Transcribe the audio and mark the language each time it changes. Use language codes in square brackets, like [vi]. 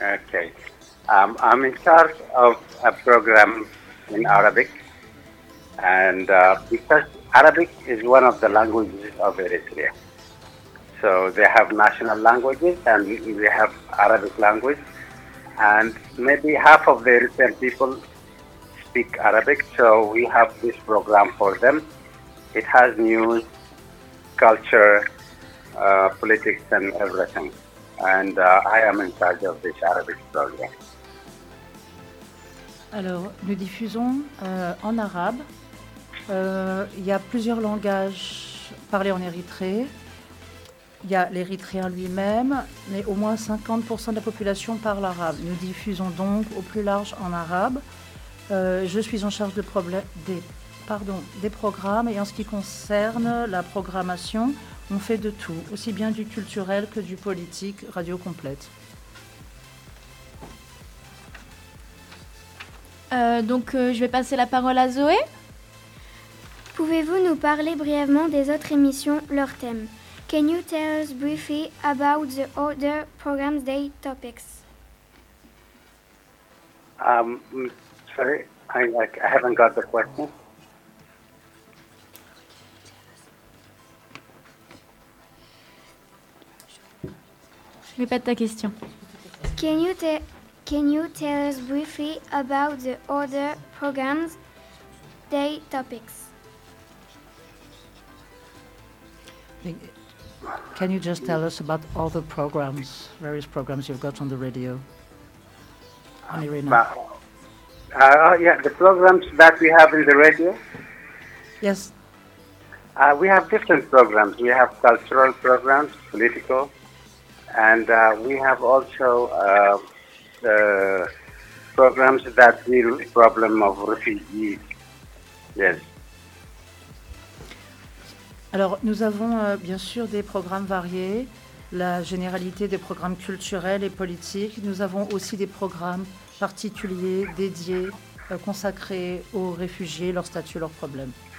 [en] Okay, I'm in charge of a program in Arabic, and because Arabic is one of the languages of Eritrea, so they have national languages and we have Arabic language, and maybe half of the Eritrean people speak Arabic, so we have this program for them. It has news, culture, politics and everything. And I am in charge of this Arabic program. [fr] Alors, nous diffusons en arabe. Il y a plusieurs langages parlés en Érythrée. Il y a l'érythréen lui-même, mais au moins 50% de la population parle arabe. Nous diffusons donc au plus large en arabe. Je suis en charge des programmes, et en ce qui concerne la programmation, on fait de tout, aussi bien du culturel que du politique, radio complète. Je vais passer la parole à Zoé. Pouvez-vous nous parler brièvement des autres émissions, leurs thèmes? [en] Can you tell us briefly about the other programs, their topics? Sorry, I haven't got the question. [fr] Répète ta question. [en] Can you tell us briefly about the other programs, their topics? Can you just tell us about all the programs, various programs you've got on the radio? On Irina. The programs that we have in the radio? Yes. We have different programs. We have cultural programs, political. And we have also programs that deal with the problem of refugees. Yes. [fr] Alors, nous avons bien sûr des programmes variés, la généralité des programmes culturels et politiques. Nous avons aussi des programmes particuliers, dédiés, consacrés aux réfugiés, leur statut, leurs problèmes.